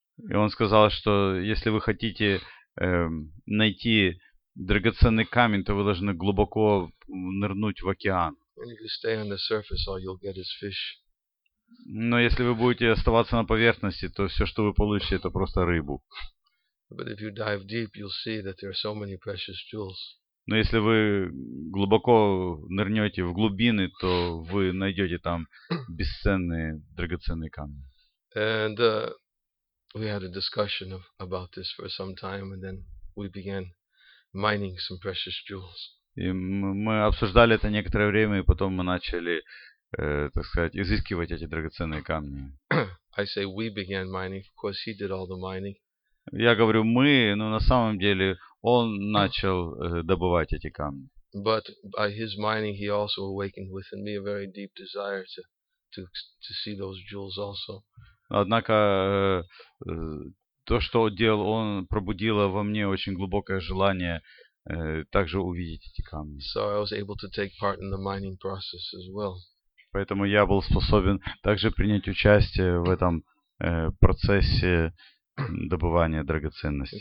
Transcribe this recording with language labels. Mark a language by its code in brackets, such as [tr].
[ru] И он сказал, что если вы хотите найти драгоценный камень, то вы должны глубоко нырнуть в океан. [en] And if you stay on the surface, all you'll get is fish. [ru] Но если вы будете оставаться на поверхности, то все, что вы получите, это просто рыбу. [en] But if you dive deep, you'll see that there are so many precious jewels. [ru] Но если вы глубоко нырнете в глубины, то вы найдете там бесценные драгоценные камни. [en] And we had a discussion about this for some time, and then we began mining some precious jewels. [ru] И мы обсуждали это некоторое время, и потом мы начали, так сказать, изыскивать эти драгоценные камни. [en] I say we began mining, of course he did all the mining. [ru] Я говорю мы, но на самом деле он начал добывать эти камни. [en] But by his mining he also awakened within me a very deep desire to see those jewels also. [ru] Однако то, что делал он, пробудило во мне очень глубокое желание также увидеть эти камни. [en] So I was able to take part in the mining process as well. [ru] Поэтому я был способен также принять участие в этом процессе добывания драгоценностей.